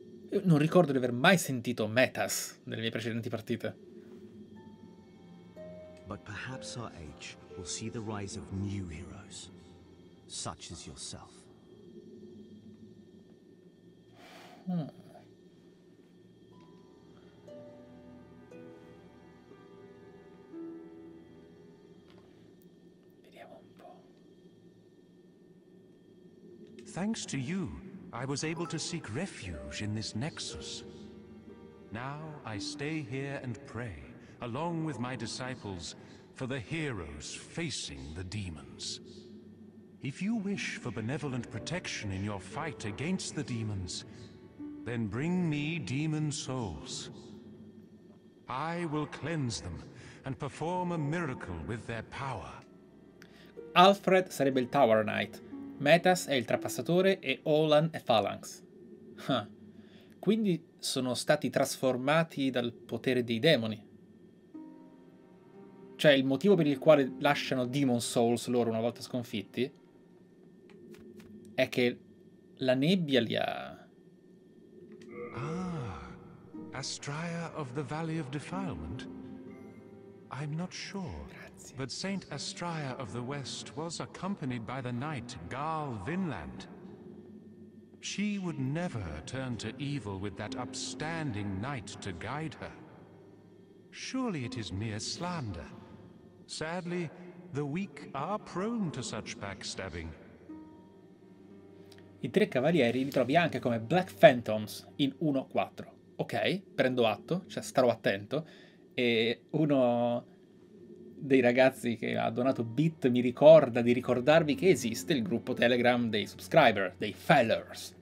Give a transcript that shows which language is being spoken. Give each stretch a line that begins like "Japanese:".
Italian: Io non ricordo di aver mai sentito Metas nelle mie precedenti partite.
English: But perhaps our age will see the rise of new heroes, such as yourself. Thanks to you, I was able to seek refuge in this nexus. Now I stay here and pray, along with my disciples, for the heroes facing the demons. If you wish for benevolent protection in your fight against the demons, then bring me demon souls. I will cleanse them and perform a miracle with their power.
Italian: Alfred sarebbe il Tower Knight. Metas è il trapassatore e Olan è Phalanx. Huh. Quindi sono stati trasformati dal potere dei demoni. Cioè il motivo per il quale lasciano Demon Souls loro una volta sconfitti è che la nebbia li ha...
English: Ah, Astraea of the Valley of Defilement? I'm not sure. But Saint Astraea of the West was accompanied by the knight Garl Vinland. She would never turn to evil with that upstanding knight to guide her. Surely it is mere slander. Sadly, the weak are prone to such backstabbing.
Italian: I tre cavalieri li trovi anche come Black Phantoms in 1-4. Ok, prendo atto, cioè starò attento. E uno dei ragazzi che ha donato Bit mi ricorda di ricordarvi che esiste il gruppo Telegram dei subscriber, dei fellers.